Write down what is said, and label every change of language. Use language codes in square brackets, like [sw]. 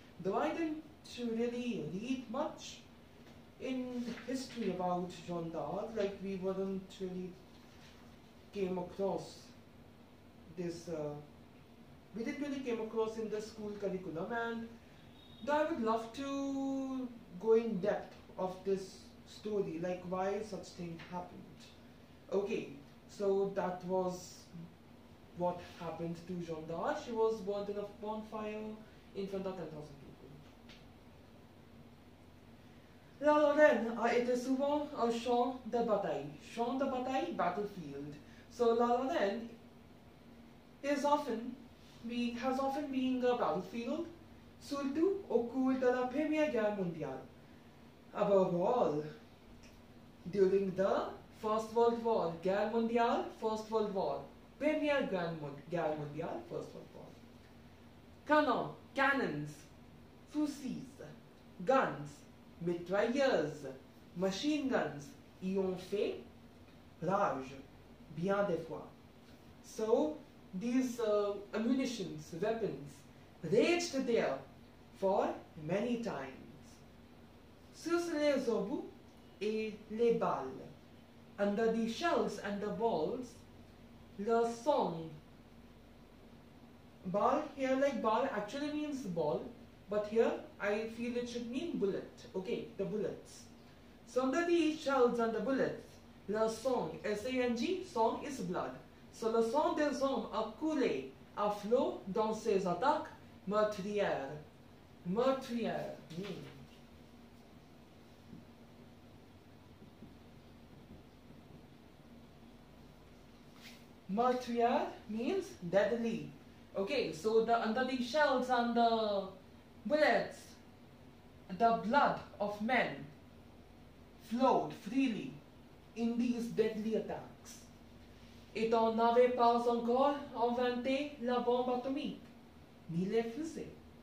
[en] Though I didn't really read much in history about Jeanne d'Arc, like we weren't really came across this, we didn't really came across in the school curriculum, and though I would love to go in depth of this story, like why such thing happened. Okay, so that was what happened to Jeanne d'Arc. She was burned in a bonfire in front of 10,000 people. [fr] La Lorraine a été souvent un champ de bataille. Champ de bataille, [en] battlefield. So La Lorraine has often been a battlefield, [fr] surtout au cours de la Première Guerre mondiale. [en] Above all, during the First World War, [fr] Guerre Mondiale, [en] First World War, [fr] Première Guerre Mondiale, [en] First World War. [fr] Cannons, fusils, [en] guns, [fr] mitrailleuses, [en] machine guns [fr] y ont fait rage, bien des fois. [en] So, these ammunitions, weapons, raged there for many times. [fr] Sous les obus et les balles, [en] under the shells and the balls, [fr] le sang. [en] Ball here, like ball actually means ball, but here I feel it should mean bullet. Okay, the bullets. So under the shells and the bullets, [fr] le sang, [en] S-A-N-G, sang is blood. [fr] So le sang des hommes a coulé, [en] a flow [fr] dans ses attaques meurtrières. Meurtrières. Mm. [en] Meurtrière means deadly. Okay, so the under the shells and the bullets, the blood of men flowed freely in these deadly attacks. [fr] Et on n'avait pas encore inventé la bombe atomique, ni les fusées.